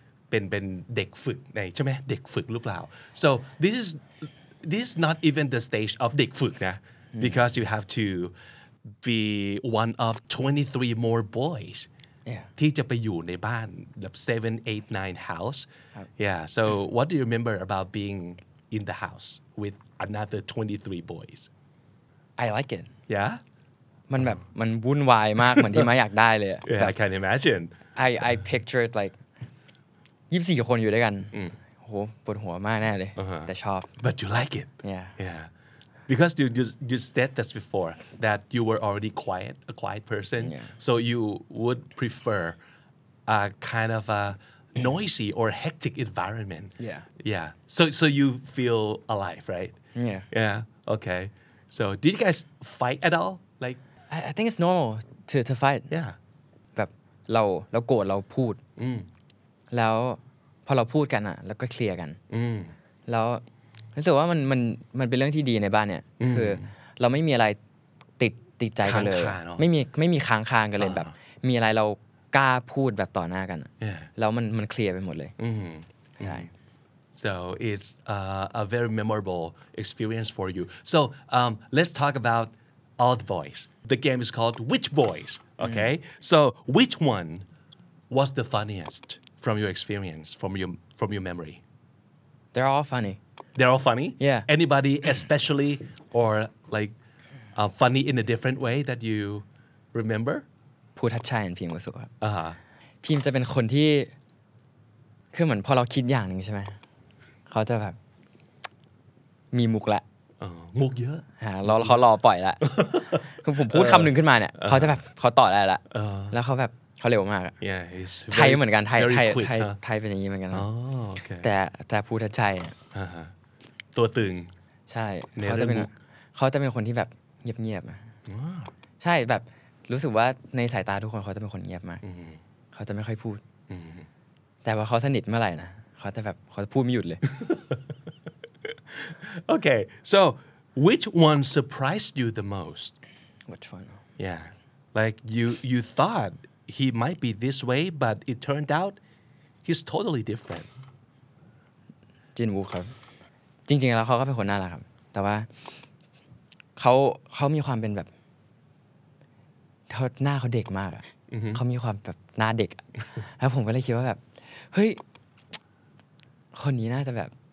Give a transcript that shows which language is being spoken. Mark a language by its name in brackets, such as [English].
[Thai] เป็นเด็กฝึกในใช่ไหมเด็กฝึกหรือเปล่า [English] so this is not even the stage of [Thai] เด็กฝึกนะ [English] because you have to be one of 23 more boys [Thai] ที่จะไปอยู่ในบ้านแบบ [English] 7-8-9 house yeah so what do you remember about beingin the house with another 23 boys. I like it. Yeah? [Thai] มันแบบมันวุ่นวายมากเหมือนที่ไม่อยากได้เลย [English] Yeah, I can imagine. I pictured like [Thai] 24คนอยู่ด้วยกันโหปวดหัวมากแน่เลยแต่ชอบ [English] But you like it. Yeah. Yeah. Because you said this before that you were already quiet, a quiet person. Yeah. So you would prefer a kind of a noisy or hectic environment. Yeah. So you feel alive, right? Yeah. Yeah. Okay. So did you guys fight at all? Like, I think it's normal to fight. Yeah. [Thai] แบบเราโกรธเราพูดแล้วพอเราพูดกันอ่ะแล้วก็เคลียร์กันแล้วรู้สึกว่ามันเป็นเรื่องที่ดีในบ้านเนี่ยคือเราไม่มีอะไรติดใจกันเลยไม่มีค้างคางกันเลยแบบมีอะไรเรากล้าพูดแบบต่อหน้ากัน [English] yeah. [Thai] แล้วมันเคลียร์ไปหมดเลย ใช่ [English] so it's a very memorable experience for you so let's talk about all the boys the game is called which boys okay so which one was the funniest from your experience from your memory they're all funny yeah anybody especially or like funny in a different way that you remember [Thai] พูดทัดชัยพิมพ์ก็สุดครับ [English] uh-huh. [Thai] พิมพ์จะเป็นคนที่คือเหมือนพอเราคิดอย่างหนึ่งใช่ไหม เขาจะแบบมีมุกละ uh-huh. มุกเยอะ ฮะรอเขารอปล่อยละคือ ผมพูด คำหนึ่งขึ้นมาเนี่ย uh-huh. เขาจะแบบเขาต่อได้ละ [English] uh-huh. [Thai] แล้วเขาแบบเขาเร็วมากอ่ ะไทยเหมือนกันไทยเป็นอย่าง นี้เหมือนกัน [English] oh, okay. [Thai] แต่พูดทัดชัย uh-huh. ตัวตึง ใช่เขาจะเป็นคนที่แบบเงียบๆใช่แบบรู้สึกว่าในสายตาทุกคนเขาจะเป็นคนเงียบมากเขาจะไม่ค่อยพูดแต่ว่าเขาสนิทเมื่อไหร่นะเขาจะแบบเขาจะพูดไม่หยุดเลย [English] โอเค so which one surprised you the most which one yeah like you thought he might be this way but it turned out he's totally different [Thai] จินวูครับจริงๆแล้วเขาก็เป็นคนน่ารักครับแต่ว่าเขามีความเป็นแบบเขาหน้าเขาเด็กมากอ่ะเขามีความแบบหน้าเด็กแล้วผมก็เลยคิดว่าแบบเฮ้ยคนนี้น่าจะแบบ